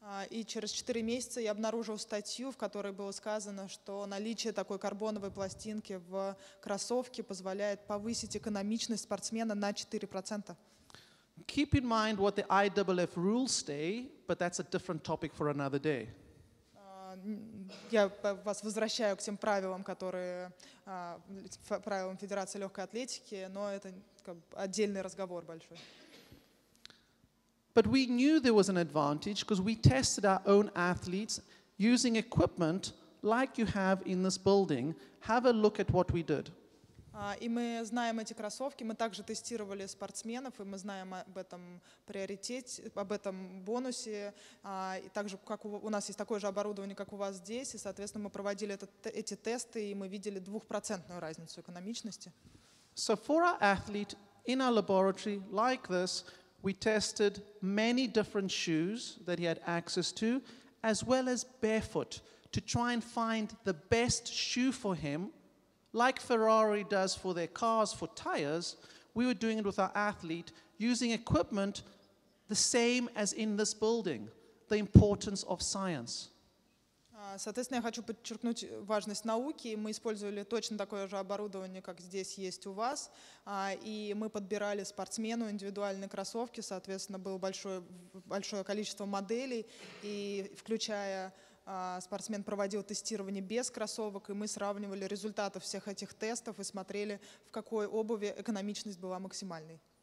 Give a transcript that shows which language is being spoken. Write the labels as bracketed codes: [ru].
[ru] И через 4 месяца я обнаружил статью, в которой было сказано, что наличие такой карбоновой пластинки в кроссовке позволяет повысить экономичность спортсмена на 4%. [en] Keep in mind what the IAAF rules say, but that's a different topic for another day. [ru] Я вас возвращаю к тем правилам, которые правилам Федерации легкой атлетики, но это отдельный разговор большой. [en] But we knew there was an advantage because we tested our own athletes using equipment like you have in this building. Have a look at what we did. [ru] И мы знаем эти кроссовки, мы также тестировали спортсменов, и мы знаем об этом приоритете, об этом бонусе. И также как у нас есть такое же оборудование, как у вас здесь, и, соответственно, мы проводили эти тесты, и мы видели 2% разницу экономичности. [en] So for our athlete, in our laboratory like this, we tested many different shoes that he had access to, as well as barefoot, to try and find the best shoe for him. Like Ferrari does for their cars, for tires, we were doing it with our athlete, using equipment the same as in this building, the importance of science. [ru] Соответственно, я хочу подчеркнуть важность науки. Мы использовали точно такое же оборудование, как здесь есть у вас. И мы подбирали спортсмену индивидуальные кроссовки. Соответственно, было большое количество моделей. И включая спортсмен проводил тестирование без кроссовок. И мы сравнивали результаты всех этих тестов и смотрели, в какой обуви экономичность была максимальной.